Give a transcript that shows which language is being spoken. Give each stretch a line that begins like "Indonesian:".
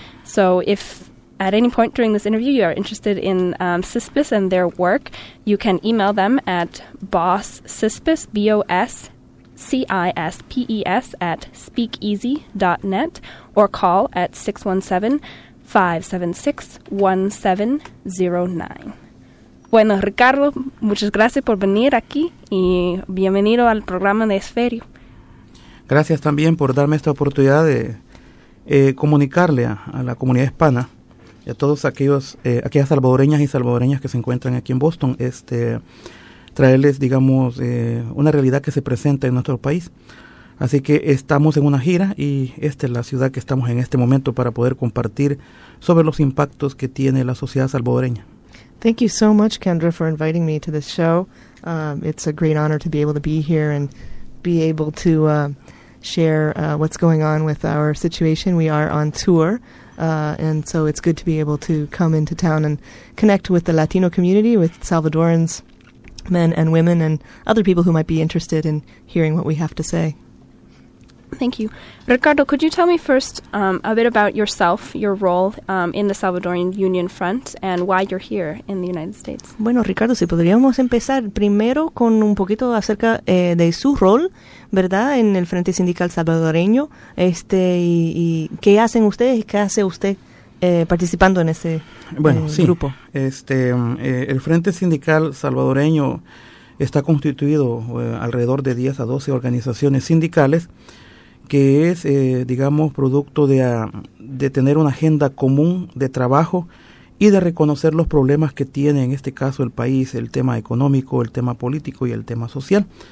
English: So if at any point during this interview you are interested in CISPIS and their work, you can email them at bosscispis, B-O-S-C-I-S-P-E-S, at speakeasy.net or call at 617-576-1709.
Spanish: Bueno, Ricardo, muchas gracias por venir aquí y bienvenido al programa de Sferio. Gracias también por darme esta oportunidad de comunicarle a la comunidad hispana y a todos aquellos, aquellas salvadoreñas y salvadoreñas que se encuentran aquí en Boston, traerles, digamos, una realidad que se presenta en nuestro país. Así que estamos en una gira y esta es la ciudad que estamos en este momento para poder compartir sobre los impactos que tiene la sociedad salvadoreña.
English: Thank you so much, Kendra, for inviting me to this show. It's a great honor to be able to be here and be able to share what's going on with our situation. We are on tour, and so it's good to be able to come into town and connect with the Latino community, with Salvadorans, men and women, and other people who might be interested in hearing what we have to say. Thank you. Ricardo, could you tell me first a bit about yourself, your role in the Salvadoran Union Front, and why you're here in the United States?
Spanish: Bueno, Ricardo, si podríamos empezar primero con un poquito acerca de su rol, ¿verdad?, en el Frente Sindical Salvadoreño, y qué hacen ustedes y qué hace usted participando en ese grupo. Bueno, sí, grupo. El Frente Sindical Salvadoreño está constituido alrededor de 10 a 12 organizaciones sindicales, que es, digamos, producto de tener una agenda común de trabajo y de reconocer los problemas que tiene, en este caso, el país, el tema económico, el tema político y el tema social.